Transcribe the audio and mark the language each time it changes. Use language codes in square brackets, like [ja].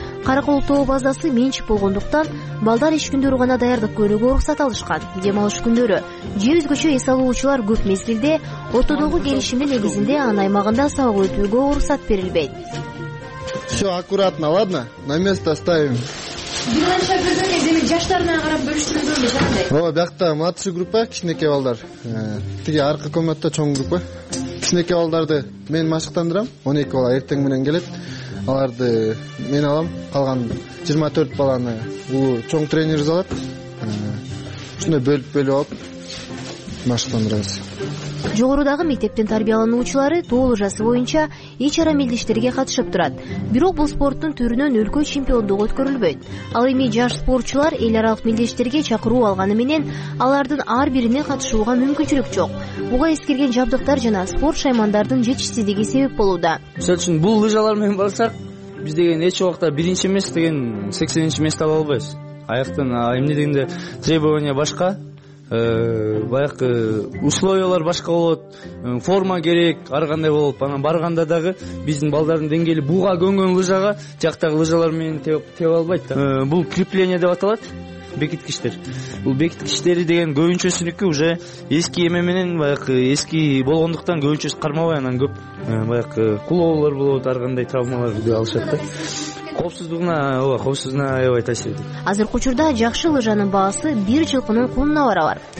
[ky] Каракол тоо базасы менчик болгондуктан балдар иш күндөрү гана даярдык көрүүгө уруксат алышкан. Дем алыш күндөрү 100 көчө эс алуучулар көп мезгилде ортодогу келишимдин негизинде анын аймагында сабак өтүүгө уруксат берилбейт. [ru] Все аккуратно, ладно? На место ставим. [ky] Билан шагирдин эми жаштар менен карап бөлүштүрүп көрбү, жандай. Ооба, биякта [ru] младший группа, [ky] кичинекей балдар. Тиги аркы комнатада чоң группа. Кичинекей балдарды мен машыктандырам. 12 бала эртең менен келет. Аларды мен алам. Калган 24 баланы улуу чоң тренерибиз алат. Ушундай бөлүп-бөлүп алып машыктандырабыз. Жогорудагы мектептин тарбиялануучулары тоо лыжасы боюнча ичара мелдештерге катышып турат. Бирок бул спорттун түрүнөн өлкө чемпиондугу өткөрүлбөйт. Ал эми жаш спортчулар эл аралык мелдештерге чакыруу алганы менен алардын ар бирине катышууга мүмкүнчүлүк жок. Буга эскерген жабдыктар жана спорт шаймандардын жетишсиздиги себеп болууда. Мисалы үчүн бул лыжалар менен барсак, биз деген эч убакта биринчи эмес деген 80-нчи место ала албайбыз. Аяктан эмне дегенде требование башка. Баягы условиялар башка болот, форма керек, ар кандай болот. Анан барганда дагы биздин балдардын деңгээли буга көнгөн лыжага жактагы лыжалар менен тебе албайт да. Бул крепление деп аталат, бекиткичтер. Бул бекиткичтери деген көбүнчөсүнүкү уже эски эме менен, баягы эски болгондуктан көбүнчөсү кармабай, анан көп баягы кулоолор болот, ар кандай травмалар алышат да. Коопсуздугуна аябай таасир этет. Азыркы учурда жакшы лыжанын баасы бир жылкынын кунуна барабар.